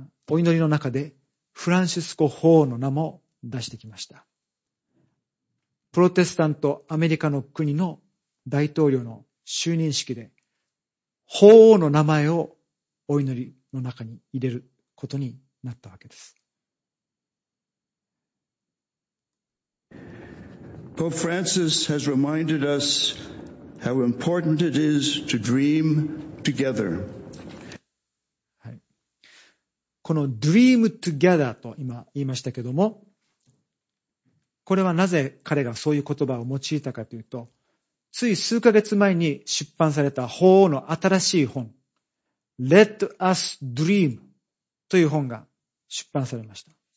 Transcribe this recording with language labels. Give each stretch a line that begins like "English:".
Japanese: お祈りの中でフランシスコ法王の名も出してきました。プロテスタントアメリカの国の大統領の就任式で法王の名前をお祈りの中に入れることになったわけです。
English: Pope Francis has reminded us how important it is to dream together.、
Japanese: はい、この dream together と今言いましたけども、これはなぜ彼がそういう言葉を用いたかというと、つい数ヶ月前に出版された法王の新しい本、Let Us Dream という本が出版されました。